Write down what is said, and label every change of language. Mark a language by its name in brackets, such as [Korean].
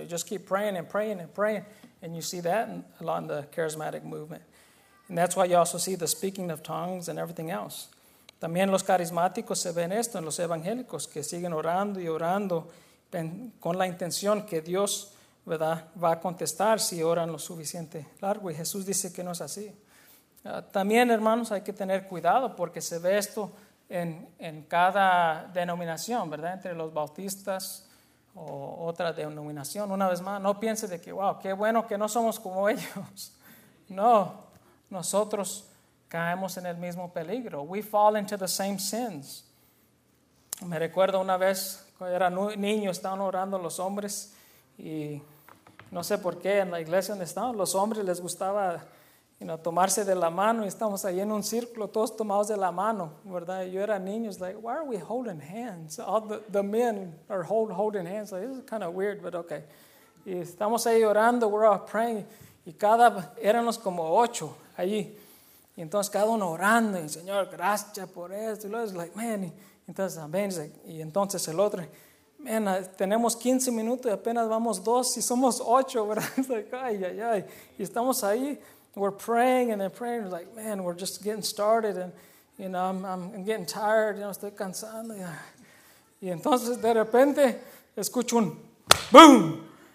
[English] So you just keep praying and praying and praying, and you see that a lot in the charismatic movement. And that's why you also see the speaking of tongues and everything else. [Spanish] También los carismáticos se ven esto en los evangélicos, que siguen orando y orando con la intención que Dios, ¿verdad?, va a contestar si oran lo suficiente largo. Y Jesús dice que no es así. También, hermanos, hay que tener cuidado porque se ve esto en cada denominación, ¿verdad?, entre los bautistas o otra denominación. Una vez más, no piense de que, wow, qué bueno que no somos como ellos. No, nosotros caemos en el mismo peligro. [English] We fall into the same sins. [Spanish] Me recuerdo una vez, cuando era niño, estaban orando los hombres, y no sé por qué, en la iglesia donde estaban, los hombres les gustaba tomarse de la mano, y estamos ahí en un círculo, todos tomados de la mano, ¿verdad? Yo era niño, es [English] like, why are we holding hands? All the men are holding hands. Like, this is kind of weird, but okay. [Spanish] Y estamos ahí orando, [English] we're all praying, [Spanish] y cada, éramos como 8 allí. Y entonces cada uno orando, y Señor, gracias por esto. Y luego es [English] like, man, [Spanish] entonces amén. Y entonces el otro, man, tenemos 15 minutos y apenas vamos 2 y somos 8, ¿verdad? [English] It's like, ay, ay, ay. [Spanish] Y estamos ahí, [English] we're praying and then praying. It's like, man, we're just getting started and, I'm getting tired, [Spanish] estoy cansando. Y entonces de repente escucho un boom.